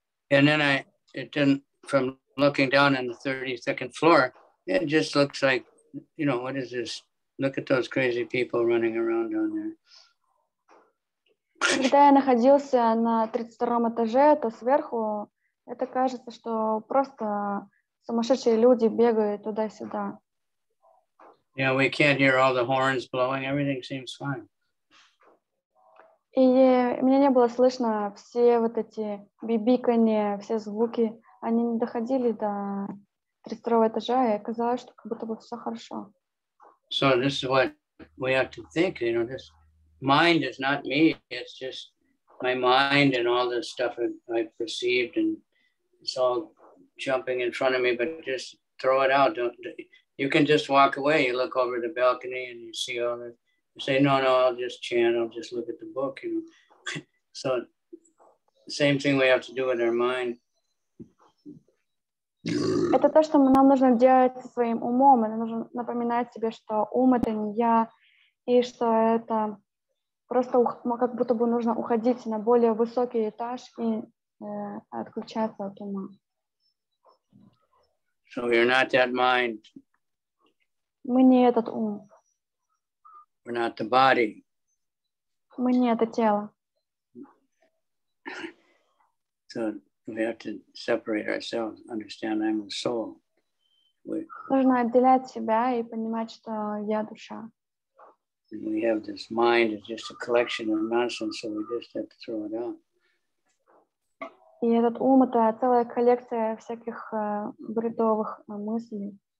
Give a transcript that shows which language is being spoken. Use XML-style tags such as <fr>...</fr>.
<en>And then from looking down on the 32nd floor, it just looks like, you know, what is this? Look at those crazy people running around down there.</en> <ru>Когда я находился на 32-м этаже, то сверху, это кажется, что просто сумасшедшие люди бегают туда-сюда.</ru> <en>Yeah, we can't hear all the horns blowing. Everything seems fine.</en> <ru>И мне не было слышно все вот эти бибиканье, все звуки. Они не доходили до 32-го этажа, и оказалось, что как будто бы все хорошо.</ru> <en>So this is what we have to think, you know, this mind is not me, it's just my mind and all this stuff I've perceived, and it's all jumping in front of me, but just throw it out. You can just walk away, you look over the balcony and you see all this. Say, no, I'll just chant, I'll just look at the book, you know. So, same thing we have to do with our mind.</en> <ru>Это то, что нам нужно делать со своим умом. Нам нужно напоминать себе, что ум — это не я, и что это просто как будто бы нужно уходить на более высокий этаж и отключаться от ума.</ru> <en>So, you're not that mind.</en> <ru>Мы не этот ум.</ru> <en>We're not the body.</en> <ru>Мы не это тело.</ru> <en>So we have to separate ourselves, understand I'm the soul.</en> <ru>Нужно отделять себя и понимать, что я душа.</ru> <en>And we have this mind, it's just a collection of nonsense, so we just have to throw it out.</en> <ru>И этот ум — это целая коллекция всяких бредовых мыслей.</ru>